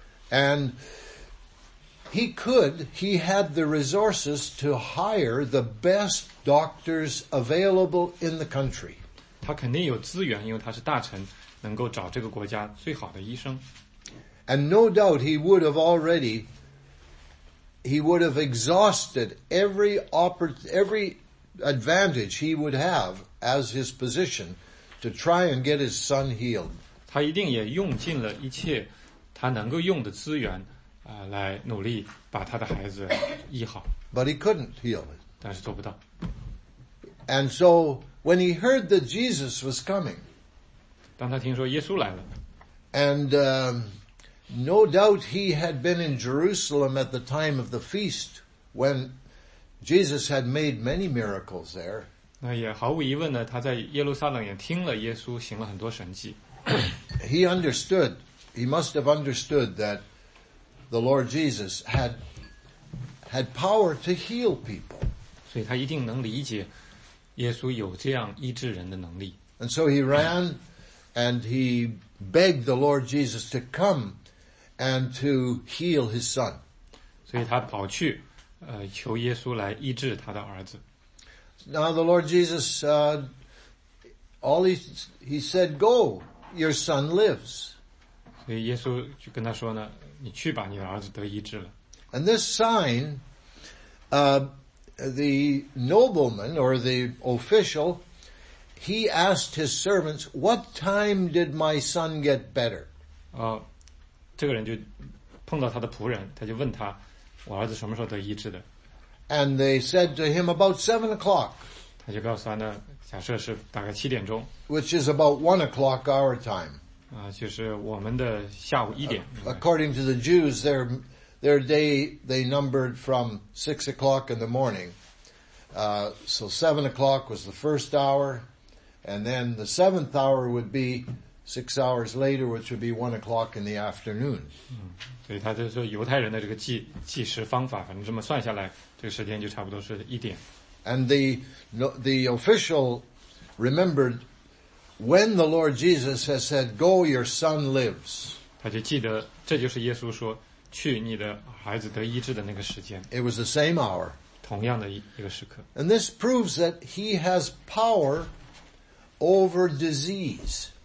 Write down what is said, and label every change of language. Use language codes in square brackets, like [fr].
[en] And he had the resources to hire the best doctors available in the country. [zh] 他肯定有资源，因为他是大臣，能够找这个国家最好的医生。 [en] And no doubt he would have exhausted every advantage he would have as his position to try and get his son healed. [zh] 他一定也用尽了一切他能够用的资源来努力把他的孩子医好。 [en] But he couldn't heal it. [zh] 但是做不到。 [en] And so, when he heard that Jesus was coming, [zh] 当他听说耶稣来了。 [en] And no doubt he had been in Jerusalem at the time of the feast when Jesus had made many miracles there. [zh] 那也毫无疑问呢，他在耶路撒冷也听了耶稣行了很多神迹。 [en] He understood. He must have understood that the Lord Jesus had power to heal people. [zh] 所以他一定能理解耶稣有这样医治人的能力。 [en] And so he ran and he begged the Lord Jesus to come and to heal his son. [zh] 所以他跑去求耶稣来医治他的儿子。 [en] Now the Lord Jesus, he said, go, your son lives. [zh] 所以耶稣就跟他说呢，你去吧，你的儿子得医治了。 [en] And this sign, the nobleman or the official, he asked his servants, "What time did my son get better?" [zh] 这个人就碰到他的仆人，他就问他，我儿子什么时候得医治的 [en] ？And they said to him, "About 7 o'clock." [zh] 他就告诉他呢，假设是大概七点钟 [en] ，which is about 1 o'clock our time. [zh] 就是我们的下午一点。 [en] According to the Jews, their day they numbered from 6 o'clock in the morning. So 7 o'clock was the first hour, and then the seventh hour would be 6 hours later, which would be 1 o'clock in the afternoon. [zh] 所以他就说犹太人的这个计时方法，反正这么算下来，这个时间就差不多是一点。 [en] And the official remembered. When the Lord Jesus has said, "Go, your son lives." [zh] 他就记得，这就是耶稣说，去你的孩子得医治的那个时间。 [en] It was the same hour. [zh] 同样的一个时刻。 [en] And this proves that he has power over disease.